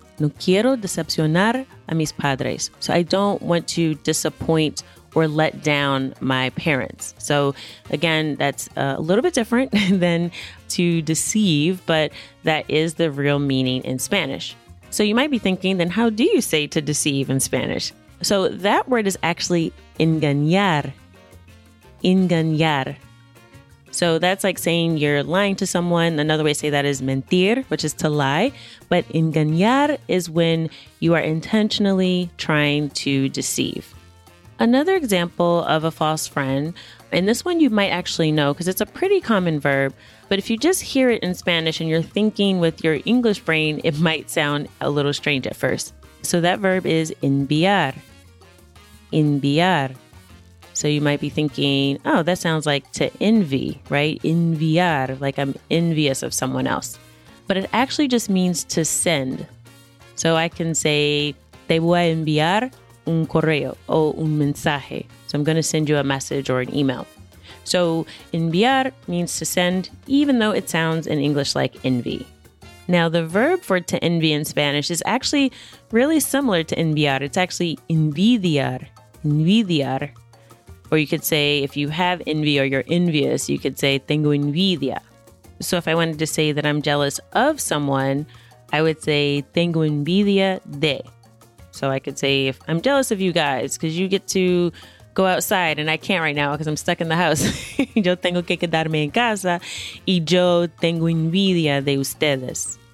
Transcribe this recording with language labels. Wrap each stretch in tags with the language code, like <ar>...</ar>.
<es>No quiero decepcionar a mis padres.</es> <en>So I don't want to disappoint or let down my parents. So again, that's a little bit different than to deceive, but that is the real meaning in Spanish. So you might be thinking, then how do you say to deceive in Spanish? So that word is actually engañar, engañar. So that's like saying you're lying to someone. Another way to say that is mentir, which is to lie. But engañar is when you are intentionally trying to deceive. Another example of a false friend, and this one you might actually know because it's a pretty common verb, but if you just hear it in Spanish and you're thinking with your English brain, it might sound a little strange at first. So that verb is enviar, enviar. So you might be thinking, oh, that sounds like to envy, right? Enviar, like I'm envious of someone else. But it actually just means to send. So I can say,</en> <es>te voy a enviar un correo o un mensaje.</es> <en>So I'm going to send you a message or an email. So enviar means to send, even though it sounds in English like envy. Now, the verb for to envy in Spanish is actually really similar to enviar. It's actually envidiar, envidiar. Or you could say, if you have envy or you're envious, you could say,</en> <es>tengo envidia.</es> <en>So if I wanted to say that I'm jealous of someone, I would say,</en> <es>tengo envidia de.</es> <en>So I could say, if I'm jealous of you guys because you get to go outside and I can't right now because I'm stuck in the house.</en> <es>Yo tengo que quedarme en casa y yo tengo envidia de ustedes.</es>